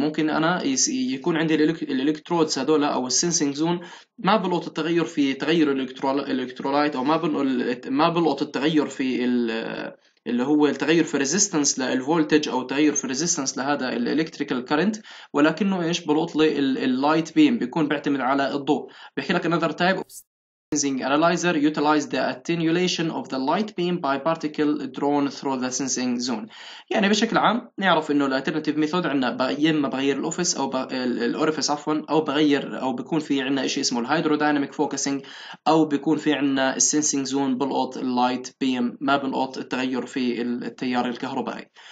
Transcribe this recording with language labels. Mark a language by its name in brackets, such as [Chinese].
[Arabic] ممكن انا يكون عندي الالكترودز هذول او السنسنج زون ما بلقط التغير في تغير الالكترولايت، او ما بلقط التغير في اللي هو التغير في ريزيستنس للفولتج او تغير في ريزيستنس لهذا الالكتريكال كارنت، ولكنه ايش بلقط لي اللايت بيم، بيكون بيعتمد على الضوء. بحكي لك انذر تايب [English] sensing analyzer utilize the attenuation of the light beam by particle drawn through the sensing zone. [Arabic] يعني بشكل عام نعرف انه الالترناتيف ميثود عندنا يا اما بغير الاوفيس او الاوريفيس عفوا او بغير او بيكون في عندنا شيء اسمه الهايدروداينامك فوكسنج او بيكون في عندنا السنسنج زون بلقط اللايت بيم ما بلقط التغير في التيار الكهربائي.